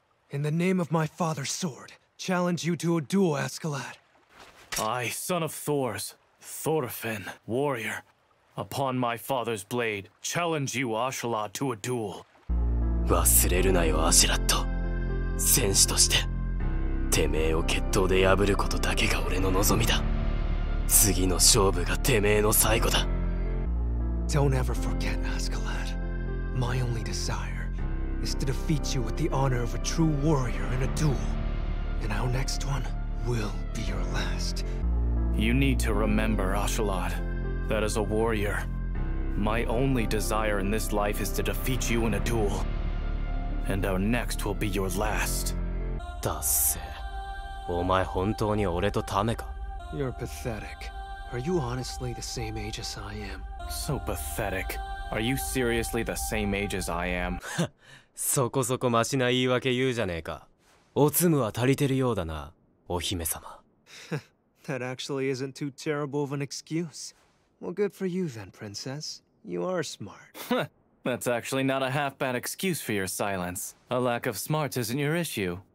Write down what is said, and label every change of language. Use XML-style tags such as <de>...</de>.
<en>In the name of my father's sword, challenge you to a duel, Askeladd. I, son of Thors, Thorfinn, warrior. Upon my father's blade, challenge you, Ashelot, to a duel.</en> <ja>忘れるなよ、アシラット。戦士として。</ja> <en>Don't ever forget, Askeladd. My only desire is to defeat you with the honor of a true warrior in a duel. And our next one will be your last. You need to remember, Askeladd, that as a warrior, my only desire in this life is to defeat you in a duel. And our next will be your last.</en> <ja>Dasse. お前本当に俺とタメか?</ja> <en>You're pathetic. Are you honestly the same age as I am? So pathetic. Are you seriously the same age as I am?</en> <ja>そこそこマシな言い訳言うじゃねえか。おつむは足りてるようだな、お姫様。</ja> <en>That actually isn't too terrible of an excuse. Well, good for you then, princess. You are smart. That's actually not a half bad excuse for your silence. A lack of smarts isn't your issue.</en>